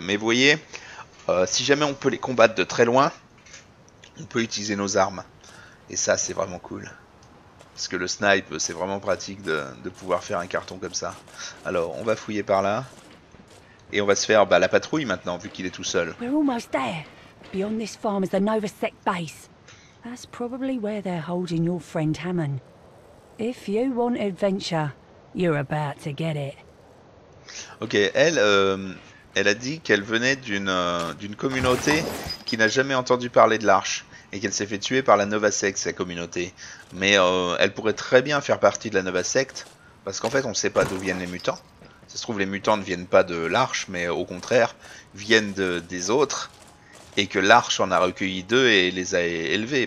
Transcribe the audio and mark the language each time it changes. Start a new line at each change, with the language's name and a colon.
French: Mais vous voyez, si jamais on peut les combattre de très loin, on peut utiliser nos armes. Et ça, c'est vraiment cool. Parce que le snipe, c'est vraiment pratique de pouvoir faire un carton comme ça. Alors, on va fouiller par là. Et on va se faire la patrouille maintenant, vu qu'il est tout seul.
English: We're almost there. Beyond this farm is the Novasec base. That's probably where they're holding your friend Hammond. If you want adventure, you're about to get it.
French: Ok, elle a dit qu'elle venait d'une communauté qui n'a jamais entendu parler de l'Arche et qu'elle s'est fait tuer par la Novasec, sa communauté. Mais elle pourrait très bien faire partie de la Novasec parce qu'en fait on ne sait pas d'où viennent les mutants. Ça se trouve les mutants ne viennent pas de l'Arche mais au contraire viennent des autres et que l'Arche en a recueilli 2 et les a élevés.